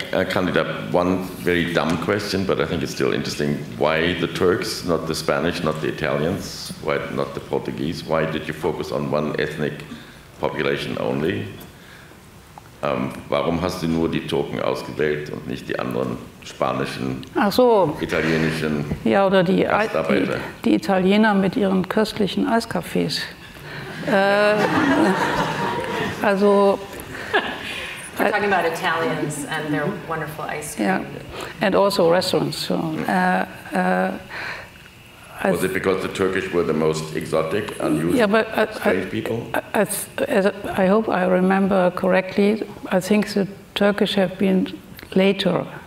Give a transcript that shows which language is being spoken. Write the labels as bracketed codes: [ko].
[en] Candida, one very dumb question, but I think it's still interesting. Why the Turks, not the Spanish, not the Italians? Why not the Portuguese? Why did you focus on one ethnic population only? [de] Warum hast du nur die Türken ausgewählt und nicht die anderen spanischen, ach so, italienischen? Ja, oder die Italiener mit ihren köstlichen Eiskaffees. Also... [en] We're talking about Italians and their wonderful ice cream. Yeah, and also restaurants. So, was it because the Turkish were the most exotic, unusual, strange people? I hope I remember correctly. I think the Turkish have been later.